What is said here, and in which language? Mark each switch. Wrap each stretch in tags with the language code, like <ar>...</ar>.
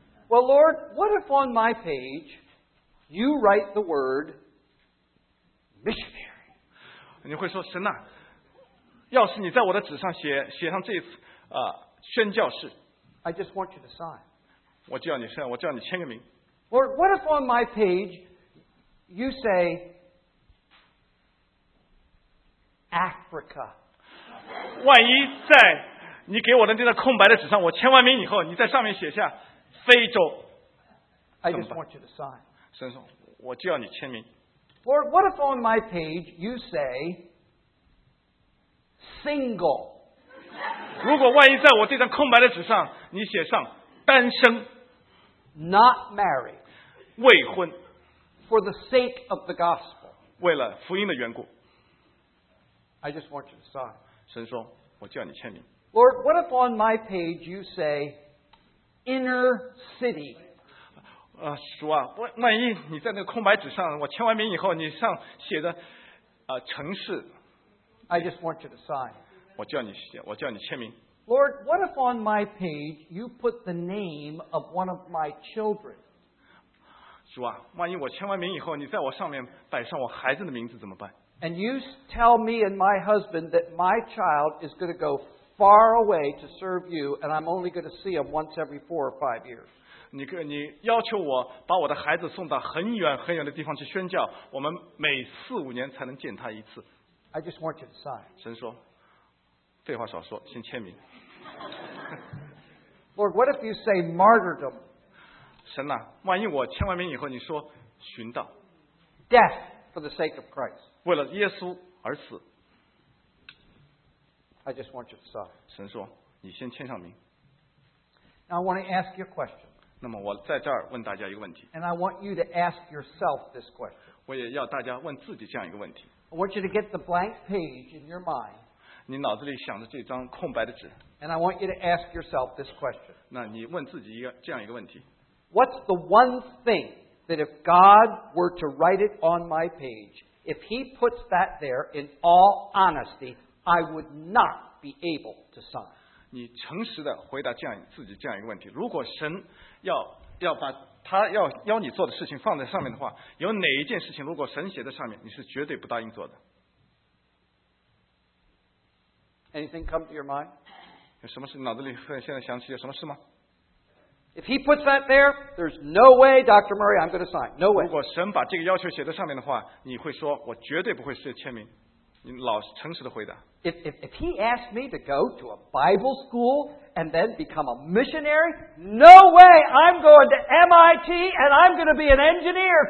<en>？Well, Lord, what if on my page you write the word missionary?</en> <zh>你会说神呐、啊，要是你在我的纸上写上这一次宣教士</zh> <en>，I just want you to sign.</en> <zh>我叫你签个名。</zh> <en>Lord, what if on my page you say? Africa.</en> <zh>万一在你给我的那个空白的纸上，我签完名以后，你在上面写下非洲。</zh> <en>I just want you to sign.</en> <zh>神说，我就要你签名。</zh> <en>Lord, what if on my page you say single?</en> <zh>如果万一在我这张空白的纸上，你写上单身。</zh> <en>Not married.</en> <zh>未婚。</zh> <en>For the sake of the gospel.</en> <zh>为了福音的缘故。</zh> <en>I just want you to sign.</en> <zh>神说，我叫你签名。</zh> <en>Lord, what if on my page you say inner city?</en> <zh>主啊，万一你在那个空白纸上，我签完名以后，你上写的城市。</zh> <en>I just want you to sign.</en> <zh>我叫你签名。</zh> <en>Lord, what if on my page you put the name of one of my children?</en> <zh>主啊，万一我签完名以后，你在我上面摆上我孩子的名字怎么办？</zh> <en>And you tell me and my husband that my child is going to go far away to serve you, and I'm only going to see him once every 4 or 5 years.</en> <zh>你要求我把我的孩子送到很远很远的地方去宣教，我们每四五年才能见他一次。</zh> <en>I just want you to sign.</en> <zh>神说，废话少说，先签名。</zh> <en>Lord, what if you say martyrdom?</en> <zh>神呐、啊，万一我签完名以后，你说寻道。</zh> <en>Death for the sake of Christ.</en> <zh>为了耶稣而死。</zh> <en>I just want you to sign.</en> <zh>神说，你先签上名。</zh> <en>Now I want to ask you a question.</en> <zh>那么我在这儿问大家一个问题。</zh> <en>And I want you to ask yourself this question.</en> <zh>我也要大家问自己这样一个问题。</zh> <en>I want you to get the blank page in your mind.</en> <zh>你脑子里想着这张空白的纸。</zh> <en>And I want you to ask yourself this question.</en> <zh>那你问自己这样一个问题。</zh> <en>What's the one thing that if God were to write it on my page? If he puts that there, in all honesty, I would not be able to sign.</en> <zh>你诚实地回答自己这样一个问题。如果神要把他要你做的事情放在上面的话，有哪一件事情如果神写在上面，你是绝对不答应做的？</zh> <en>Anything come to your mind?</en> <zh>有什么事脑子里现在想起有什么事吗？</zh> <en>If he puts that there, there's no way, Dr. Murray, I'm going to sign. No way.</en> <zh>如果神把这个要求写在上面的话，你会说，我绝对不会是签名。你老实诚实的回答。</zh> <en>If he asked me to go to a Bible school and then become a missionary, no way, I'm going to MIT and I'm going to be an engineer.</en>